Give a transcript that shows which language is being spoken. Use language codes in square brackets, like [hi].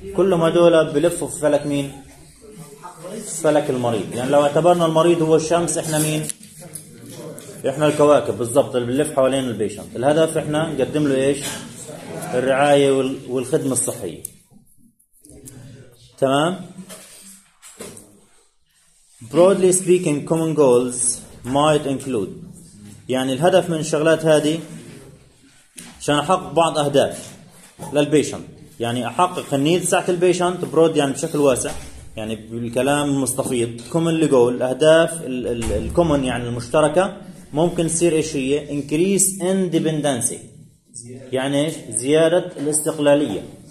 [ar] كلهم هدول بلفوا في فلك مين فلك المريض. يعني لو اعتبرنا المريض هو الشمس احنا مين احنا الكواكب بالضبط اللي بلف حوالين البيشنت. الهدف احنا نقدم له ايش الرعاية والخدمة الصحية تمام. [en] Broadly speaking, common goals might include. [ar] يعني الهدف من الشغلات هذه عشان أحقق بعض أهداف للبيشنت. يعني أحقق النيد ساعة البيشنت broad يعني بشكل واسع يعني بالكلام مستفيض. commonly goal أهداف ال common يعني المشتركة ممكن تصير إيش هي [en] increase independency [ar] يعني إيش زيادة الاستقلالية.